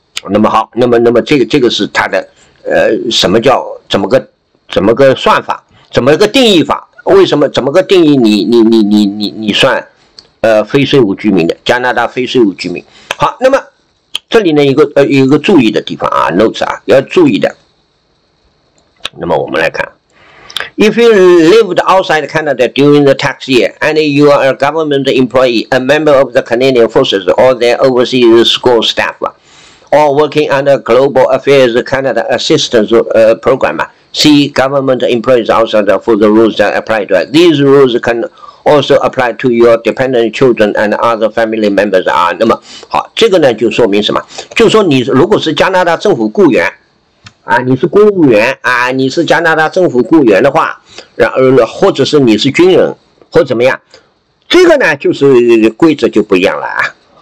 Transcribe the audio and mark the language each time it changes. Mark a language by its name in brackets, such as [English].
[Chinese] 那么好，那么这个是它的什么叫怎么个。怎么个算法？怎么个定义法？为什么？怎么个定义你算，非税务居民的加拿大非税务居民？好，那么这里呢有一个注意的地方啊 ，notes 啊，要注意的。那么我们来看 [English] ，if you lived outside Canada during the tax year and you are a government employee, a member of the Canadian Forces or their overseas school staff, or working under Global Affairs Canada Assistance Program. See government employees outside for the rules that apply to it. These rules can also apply to your dependent children and other family members. [Chinese] 啊，那么好，这个呢就说明什么？就说你如果是加拿大政府雇员，啊，你是公务员啊，你是加拿大政府雇员的话，然后或者是你是军人或怎么样，这个呢就是规则就不一样了啊。